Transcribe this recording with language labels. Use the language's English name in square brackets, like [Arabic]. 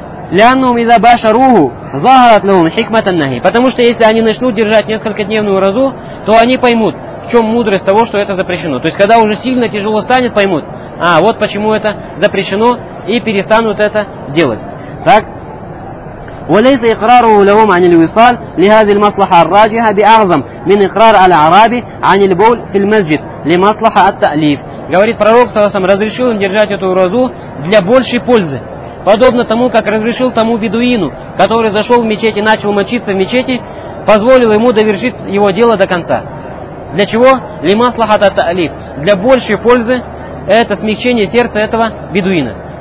[Arabic] «Лянум иза баша руху загарат лаум хикматан нахи». [Russian] Потому что если они начнут держать несколькодневную уразу, то они поймут, в чем мудрость того, что это запрещено. То есть, когда уже сильно тяжело станет, поймут, а вот почему это запрещено, и перестанут это делать. Так? [Arabic] وليس إقراره لهم عن الوصال لهذه المصلحة الراجحة بأعظم من إقرار الأعرابي عن البول في المسجد لمصلحة التأليف. [Russian] Говорит пророк, саллаллаху алейхи ва саллям, разрешил держать эту уразу для большей пользы, подобно тому, как разрешил тому бедуину, который зашел в мечеть и начал мочиться в мечети, позволил ему довершить его дело до конца. Для чего? [Arabic] لمصلحة التأليف. [Russian] Для большей пользы это смягчение сердца этого бедуина.